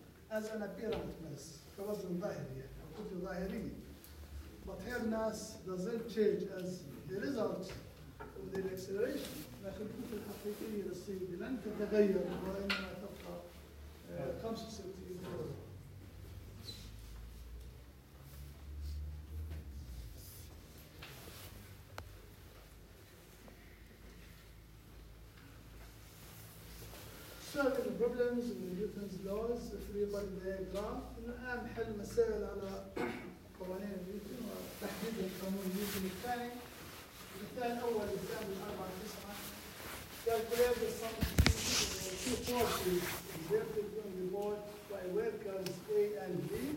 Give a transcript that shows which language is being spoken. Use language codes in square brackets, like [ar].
[en] As an apparent mass, [ar] كوزن ظاهري أو كتلة ظاهرية. [en] But her mass doesn't change as the result of the acceleration. [ar] لكن الكتلة الحقيقية للسيد لن تتغير وإنما تبقى 65 كيلوغرام. [en] Solving problems in Newton's laws, free body diagram. [ar] الآن حل مسائل على قوانين نيوتن وتحديد القانون نيوتن الثاني. مثال أول example 4-9. [en] Calculate the sum of two forces exerted on the board by workers A and B.